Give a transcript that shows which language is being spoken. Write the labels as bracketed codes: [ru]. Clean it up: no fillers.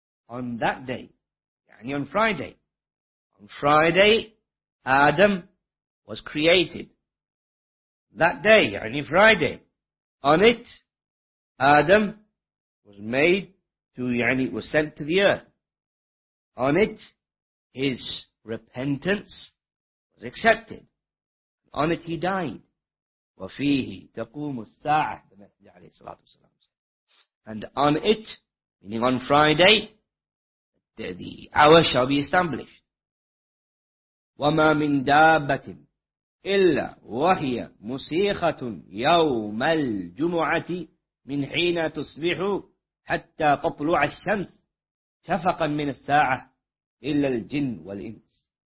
[en] On that day, yani on Friday, Adam was created. That day, yani Friday, on it, Adam was made to, yani was sent to the earth. On it, his repentance was accepted. On it, he died. [ar] وَفِيهِ تَقُومُ السَّاعَةِ [en] The Messenger [ar] عليه الصلاة والسلام. [en] And on it, meaning on Friday, the hour shall be established. [ar] وَمَا مِنْ دَابَةٍ إِلَّا وَهِيَ مُسِيخَةٌ يَوْمَ الْجُمُعَةِ مِنْ حِينَ تُصْبِحُ حَتَّى تَطْلُعَ الشَّمْسِ شَفَقًا مِنَ السَّاعَةِ إِلَّا الْجِنُّ وَالْإِنسِ.